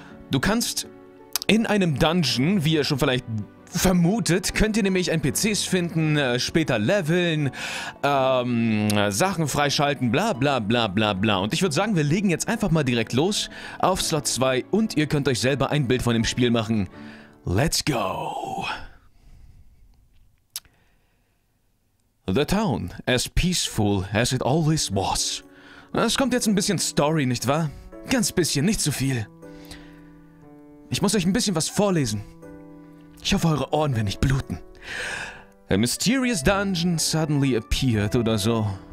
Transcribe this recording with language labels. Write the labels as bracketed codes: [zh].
[de] Du kannst in einem Dungeon, wie ihr schon vielleicht vermutet, könnt ihr nämlich NPCs finden, später leveln, Sachen freischalten, bla bla bla bla bla. Und ich würde sagen, wir legen jetzt einfach mal direkt los auf Slot 2 und ihr könnt euch selber ein Bild von dem Spiel machen. [en] Let's go! The town, as peaceful as it always was. [de] Es kommt jetzt ein bisschen Story, nicht wahr? Ganz bisschen, nicht zu viel. Ich muss euch ein bisschen was vorlesen. Ich hoffe, eure Ohren werden nicht bluten. [en] A mysterious dungeon suddenly appeared oder so.